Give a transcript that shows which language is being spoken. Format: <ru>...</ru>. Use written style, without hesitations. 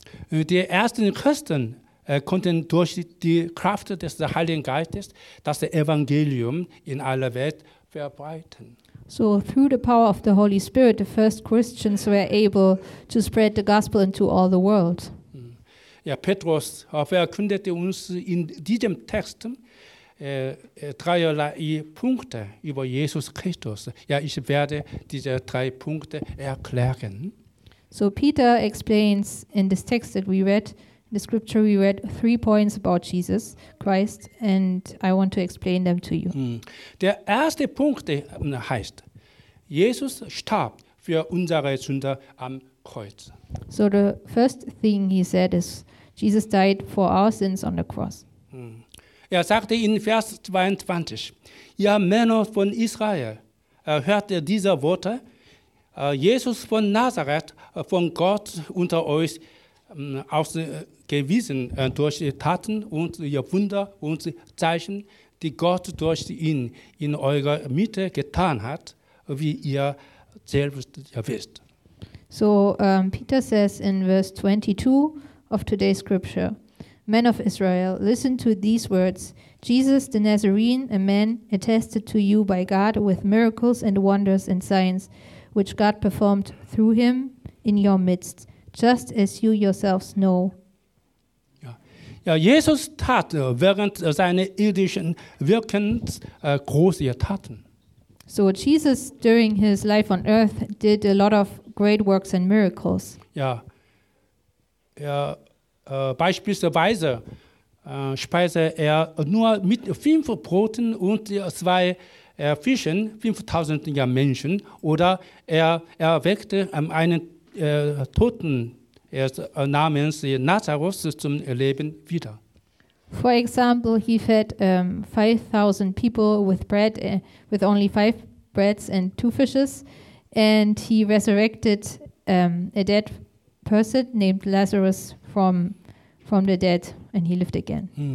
<de>Die ersten Christen konnten durch die Kraft des Heiligen Geistes das Evangelium in aller Welt verbreiten.</de> <en>So through the power of the Holy Spirit, the first Christians were able to spread the gospel into all the world.</en> <de>Ja, Petrus verkündete uns in diesem Text dreierlei Punkte über Jesus Christus. Ja, ich werde diese drei Punkte erklären.</de> <en>So Peter explains in this text that we read, in the scripture we read, three points about Jesus Christ, and I want to explain them to you.</en> <de>Der erste Punkt heißt, Jesus starb für unsere Sünde am Kreuz.</de> <en>So the first thing he said is, Jesus died for our sins on the cross.</en> <de>Sagte in Vers 22, ihr Männer von Israel, hört ihr diese Worte? Jesus von Nazareth, von Gott unter euch ausgewiesen durch die Taten und ihr Wunder und Zeichen, die Gott durch ihn in eurer Mitte getan hat, wie ihr selbst wisst.</de> <en>So Peter says in verse 22 of today's scripture, men of Israel, listen to these words. Jesus the Nazarene, a man attested to you by God with miracles and wonders and signs, which God performed through him in your midst, just as you yourselves know.</en> <de>Ja, Jesus tat während seiner irdischen Wirkens große Taten.</de> <en>So Jesus, during his life on earth, did a lot of great works and miracles.</en> <de>Ja, beispielsweise speiste nur mit 5 Broten und 2 Fischen 5000 Menschen, oder erweckte einen Toten namens Lazarus zum Leben wieder.</de> <en>For example, he fed 5000 people with bread, with only 5 breads and 2 fishes, and he resurrected a dead person named Lazarus from the dead, and he lived again.</en>